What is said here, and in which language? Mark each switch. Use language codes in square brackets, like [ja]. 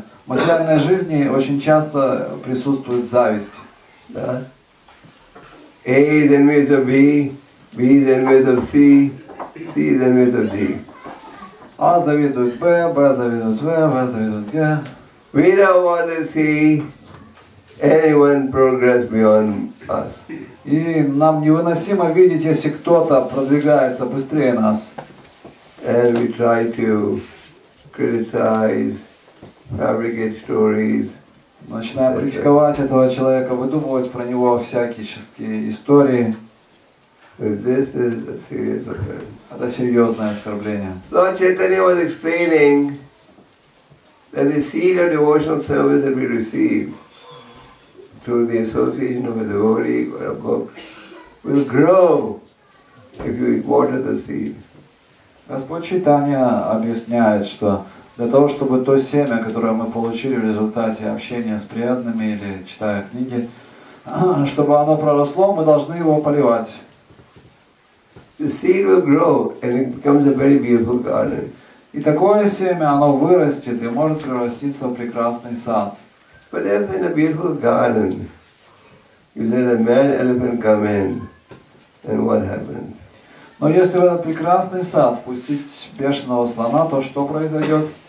[ru] В материальной жизни очень часто присутствует зависть. Да. [en] A is envious of B, B is envious of C, C is envious of D. [ru] A завидует B, B завидует V, V завидует G. [en] We don't want to see anyone progress beyond us. [ru] И нам невыносимо видеть, если кто-то продвигается быстрее нас. [en] And we try to criticize, fabricate stories. [ru] Начинаем критиковать этого человека, выдумывать про него всяческие истории. [en] This is a serious offense. [ru] Это серьезное оскорбление. [en] Lord Chaitanya was explaining that the seed of devotional service that we receive through the association of a devotee or a book will grow if you water the seed. [ru] Господь Чайтанья объясняет, что для того, чтобы то семя, которое мы получили в результате общения с преданными или читая книги, чтобы оно проросло, мы должны его поливать. [en] The seed will grow and it becomes a very beautiful garden. [ru] И такое семя, оно вырастет и может превратиться в прекрасный сад. [en] But even in a beautiful garden, you let a mad elephant come in, and what happens? [ru] Но если в этот прекрасный сад впустить бешеного слона, то что произойдет?